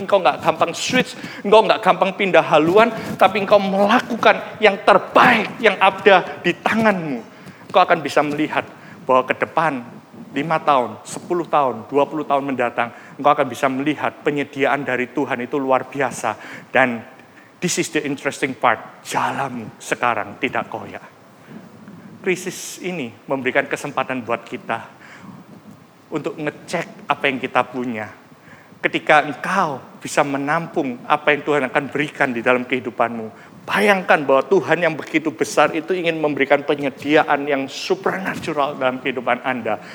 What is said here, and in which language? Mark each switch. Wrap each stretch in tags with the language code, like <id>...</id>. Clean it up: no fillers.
<id>Engkau gak gampang switch. Engkau gak gampang pindah haluan. Tapi engkau melakukan yang terbaik yang ada di tanganmu. Engkau akan bisa melihat bahwa ke depan 5 tahun, 10 tahun, 20 tahun mendatang. Engkau akan bisa melihat penyediaan dari Tuhan itu luar biasa. Dan</id> <en>this is the interesting part.</en> <id>Jalanmu sekarang tidak koyak. Krisis ini memberikan kesempatan buat kita untuk ngecek apa yang kita punya. Ketika engkau bisa menampung apa yang Tuhan akan berikan di dalam kehidupanmu, bayangkan bahwa Tuhan yang begitu besar itu ingin memberikan penyediaan yang supernatural dalam kehidupan Anda.</id>